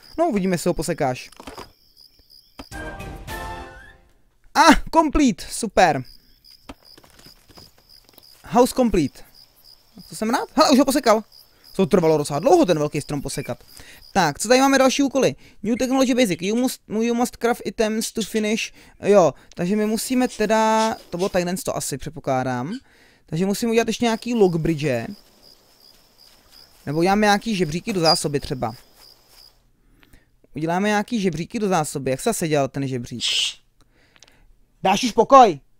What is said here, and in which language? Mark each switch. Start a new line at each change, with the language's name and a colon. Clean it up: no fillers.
Czech: No, uvidíme, jestli ho posekáš.
English: Ah, complete, super. House complete.
Czech: Co jsem rád? Hele, už ho posekal. To trvalo docela dlouho ten velký strom posekat. Tak, co tady máme další úkoly?
English: New technology basic. You must craft items to finish.
Czech: Jo, takže my musíme teda... To bylo tak to asi, předpokládám. Takže musím udělat ještě nějaký log bridge. Nebo uděláme nějaký žebříky do zásoby třeba. Uděláme nějaký žebříky do zásoby. Jak se zase dělal ten žebřík? Dáš už pokoj!